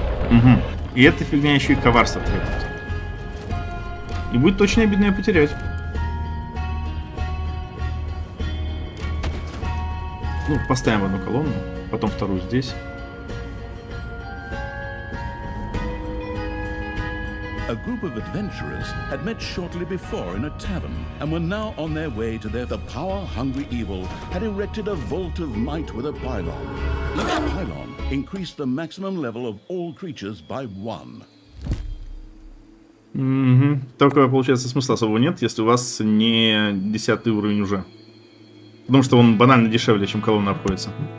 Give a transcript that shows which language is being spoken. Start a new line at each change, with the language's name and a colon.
Russian: Угу. И эта фигня еще и коварство требует. И будет точно обидно ее потерять. Ну, поставим одну колонну, потом вторую здесь.
English: A group of adventurers had met shortly before in a tavern, and were now on their way to their... The power-hungry evil had erected a vault of might with a pylon. The pylon increased the maximum level of all creatures by one.
Russian: Угу. Только, получается, смысла особого нет, если у вас не 10 уровень уже. Потому что он банально дешевле, чем колонна обходится.